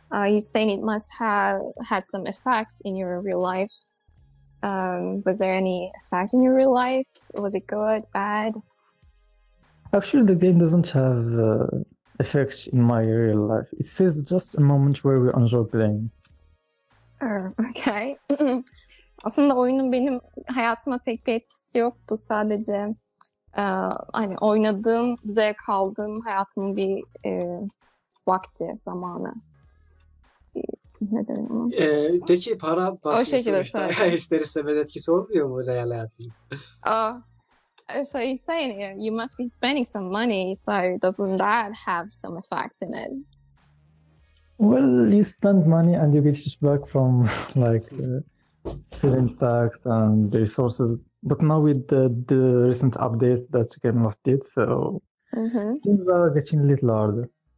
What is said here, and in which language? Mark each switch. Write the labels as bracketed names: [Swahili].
[English] You say it must have had some effects in your real life. Was there any effect in your real life? Was it good, bad? Actually, the game doesn't have effects in my real life. It says just a moment where we enjoy playing. Okay. [Turkish] Aslında oyunun benim hayatıma pek bir etkisi yok. Bu sadece hani oynadığım, zevk aldığım hayatımın bir vakti, zamanı. Ne derim ama? Peki para O başlıyor şekilde sonuçta. söyleyeyim. İster istemez etkisi olmuyor mu real hayatın? [English] Oh, so you're saying you must be spending some money, so doesn't that have some effect in it? Well, you spend money and you get it back from like selling tax and the resources. But now with the recent updates that Game of did, so things are getting a little harder.